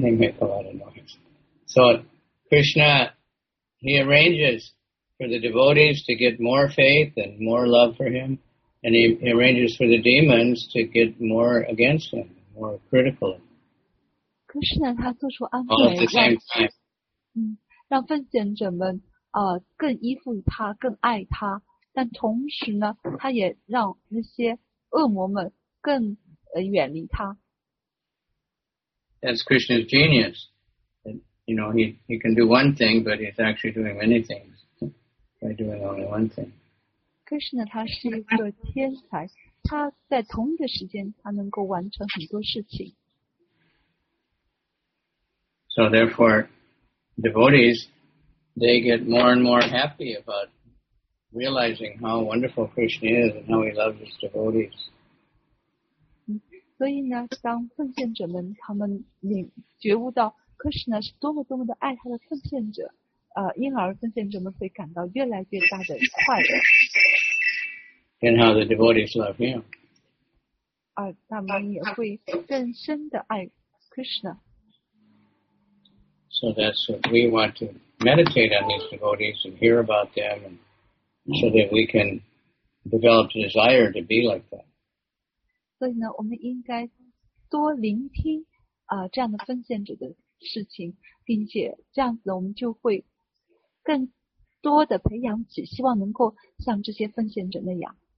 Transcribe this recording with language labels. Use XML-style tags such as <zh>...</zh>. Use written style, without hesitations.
<en>They make a lot of noise. So Krishna, he arranges for the devotees to get more faith and more love for him. And he arranges for the demons to get more against him, more critical.</en> <zh>Krishna, 他做出安排</zh> <en>All at the same time.</en> <zh>让奉献者们更依附他，更爱他。但同时呢，他也让那些恶魔们更远离他。</zh> <en>That's Krishna's genius. You know, he can do one thing, but he's actually doing many things by doing only one thing.</en> <zh>Krishna 他是一个天才，他在同一个时间他能够完成很多事情。</zh> <en>So therefore, devotees, they get more and more happy about realizing how wonderful Krishna is and how he loves his devotees.</en> <zh>所以呢，当奉献者们他们觉悟到 Krishna 是多么多么的爱他的奉献者，因而奉献者们会感到越来越大的快乐。</zh> <en>And how the devotees love him.</en> <zh>他们也会更深的爱 Krishna.</zh> <en>So that's what we want to meditate on these devotees and hear about them and so that we can develop the desire to be like that.</en> <zh>所以呢，我们应该多聆听这样的奉献者的事情，并且这样子我们就会更多的培养起希望能够像这些奉献者那样。</zh>